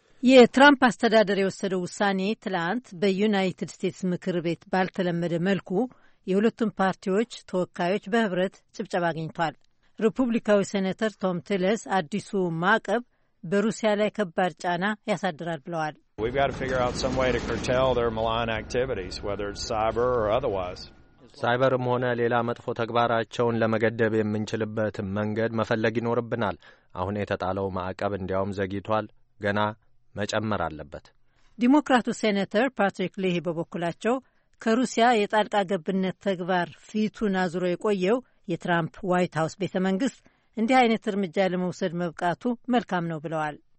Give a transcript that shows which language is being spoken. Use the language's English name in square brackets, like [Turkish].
[Amharic] የትራምፕ አስተዳደር የወሰደው ውሳኔ ትላንት በዩናይትድ ስቴትስ ምክር ቤት ባልተለመደ መልኩ የሁለቱም ፓርቲዎች ተወካዮች በህብረት ጭብጨባ አግኝቷል። ሪፑብሊካዊ ሴኔተር ቶም ቲለስ አዲሱ ማዕቀብ በሩሲያ ላይ ከባድ ጫና ያሳድራል ብለዋል። [English] We've got to figure out some way to curtail their malign activities, whether it's cyber or otherwise. [Amharic] ሳይበርም ሆነ ሌላ መጥፎ ተግባራቸውን ለመገደብ የምንችልበት መንገድ መፈለግ ይኖርብናል። አሁን የተጣለው ማዕቀብ እንዲያውም ዘግይቷል። ገና መጨመር አለበት። ዲሞክራቱ ሴኔተር ፓትሪክ ሊሂ በበኩላቸው ከሩሲያ የጣልቃ ገብነት ተግባር ፊቱን አዙሮ የቆየው የትራምፕ ዋይት ሀውስ ቤተ መንግስት እንዲህ አይነት እርምጃ ለመውሰድ መብቃቱ መልካም ነው ብለዋል።